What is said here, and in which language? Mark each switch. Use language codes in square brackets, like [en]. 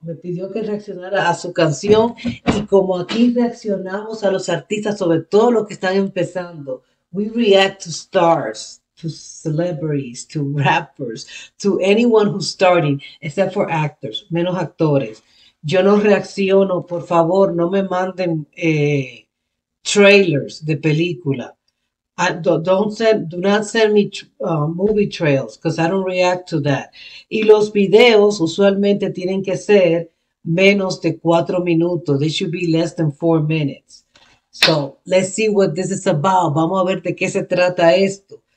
[es] Me pidió que reaccionara a su canción y como aquí reaccionamos a los artistas, sobre todo los que están empezando, [en] we react to stars, to celebrities, to rappers, to anyone who's starting, except for actors, [es] menos actores. Yo no reacciono, por favor, no me manden trailers de película. [en] Do not send me movie trails, because I don't react to that. [es] Y los videos usualmente tienen que ser menos de 4 minutos. [en] They should be less than 4 minutes. So, let's see what this is about. [es] Vamos a ver de qué se trata esto.